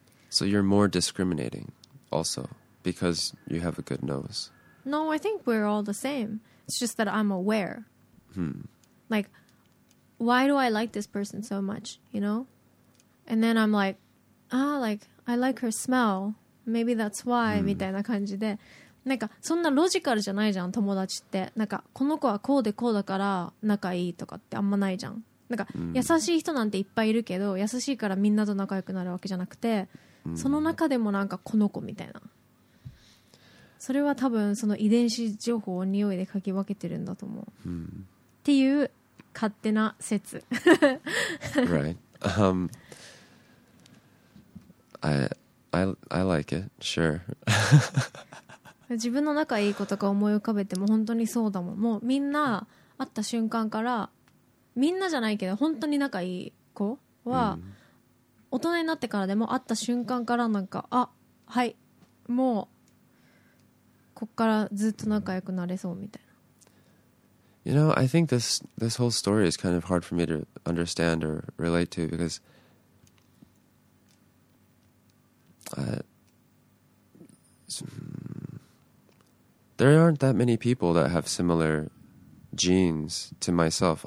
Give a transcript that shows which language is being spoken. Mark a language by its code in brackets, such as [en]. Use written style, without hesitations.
[en] So you're more discriminating also because you have a good nose. No, I think we're all the same. It's just that I'm aware. Like, why do I like this person so much, you know? And then I'm like, ah, like, I like her smell. Maybe that's why, [ja] みたいな感じで。なんか、そんなロジカルじゃないじゃん、友達って。なんか、この子はこうでこうだから仲いいとかってあんまないじゃん。なんか、優しい人なんていっぱいいるけど、優しいからみんなと仲良くなるわけじゃなくて、その中でもなんかこの子みたいな。それは多分その遺伝子情報を匂いで嗅ぎ分けてるんだと思う。っていう勝手な説。 [en] Right. I like it, sure. [ja] 自分の仲いい子とか思い浮かべても本当にそうだもん。もうみんな会った瞬間から、みんなじゃないけど本当に仲いい子は、大人になってからでも会った瞬間からなんか、あ、はい、もう、こっからずっと仲良くなれそうみたいな。 [en] You know, I think this whole story is kind of hard for me to understand or relate to because there aren't that many people that have similar genes to myself.